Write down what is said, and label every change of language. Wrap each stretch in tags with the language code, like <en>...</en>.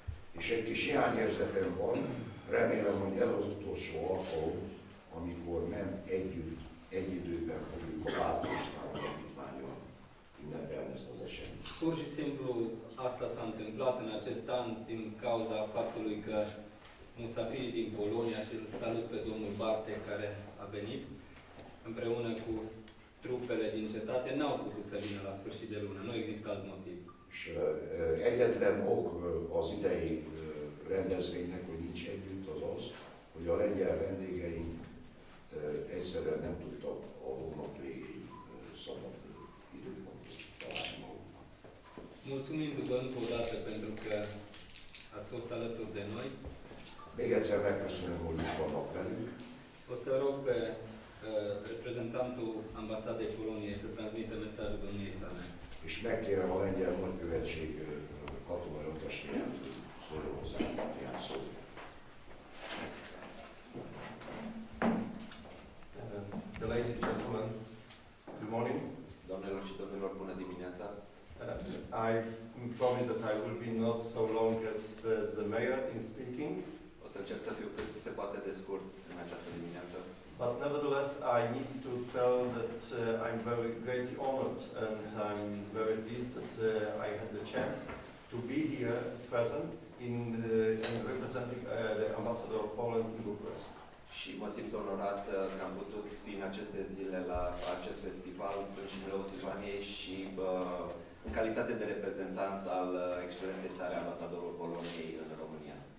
<hu>És egy kis hiányérzetem van, remélem, hogy ez az utolsó alkalom, amikor nem együtt, egy időben fogjuk a Bátorisztán alapítványon ünnepelni ezt az eseményt.</hu> <ro>Pur și simplu, asta s-a întâmplat în acest an, din cauza faptului că musafirii din Polonia, și salut pe domnul Barte, care a venit împreună cu trupele din cetate, n-au putut să vină la sfârșit de lună, nu există alt motiv.</ro> <hu>És egyetlen ok az idei rendezvénynek, hogy nincs együtt, az az, hogy a lengyel vendégeink egyszerűen nem tudtak a hónap végén szabad időpontot találni maguknak.</hu> <ro>Mulțumim dumneavoastră pentru că ați fost alături de noi.</ro> <hu>Még egyszer megköszönöm, hogy itt vannak velünk.</hu> <ro>O să rog pe reprezentantul Ambasadei Poloniei să transmită mesajul domniei sale.</ro> <hu>És megkérem a lengyel nagykövetség katonai utasját, hogy szóljon hozzá néhány szót.</hu> <en>The ladies and gentlemen, good morning.</en> <ro>Domnilor și domnilor, bună dimineața.</ro> <en>I promise that I will be not so long as the mayor in speaking.</en> <ro>O să încerc să fiu cât se poate de scurt în această dimineață.</ro> <en>But nevertheless, I need to tell that I'm very greatly honored and I'm very pleased that I had the chance to be here present in representing the ambassador of Poland in Bucharest.</en> <ro>Și mă simt onorat că am putut fi în aceste zile la acest festival în Chișinău, Silvania, și în calitate de reprezentant al excelenței sale ambasadorul Poloniei în România.</ro>